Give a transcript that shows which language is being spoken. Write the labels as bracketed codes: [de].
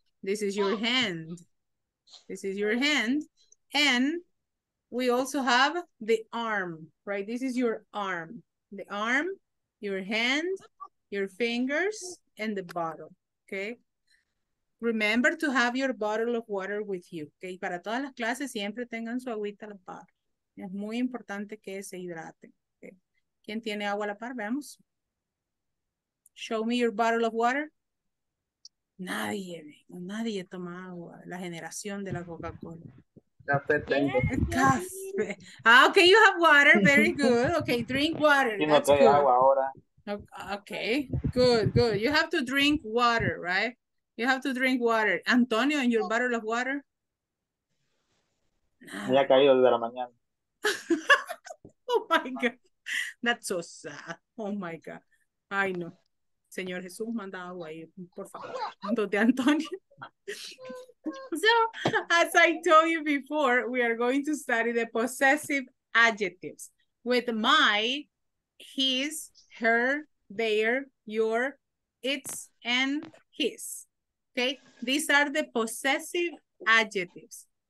[en] This is your hand. This is your hand. And we also have the arm, right? This is your arm, the arm. Your hand, your fingers, and the bottle, okay? Remember to have your bottle of water with you, okay? [es] Para todas las clases, siempre tengan su agüita a la par. Es muy importante que se hidraten, okay? ¿Quién tiene agua a la par? Veamos. [en] Show me your bottle of water. [es] Nadie toma agua. La generación de la Coca-Cola. Café tengo. Café. [en] Ah, okay, you have water. Very good. Okay, drink water. [es] Y no tengo agua ahora. [en] Okay, good, good. You have to drink water, right? You have to drink water. Antonio, and your bottle of water? [es] Me ha caído desde la mañana. [en] Oh my God. That's so sad. Oh my God. [es] Ay, no. Señor Jesús, manda agua ahí, por favor. ¿Dónde Antonio? [en] So, as I told you before, we are going to study the possessive adjectives with my, his, her, their, your, its, and his. Okay, these are the possessive adjectives.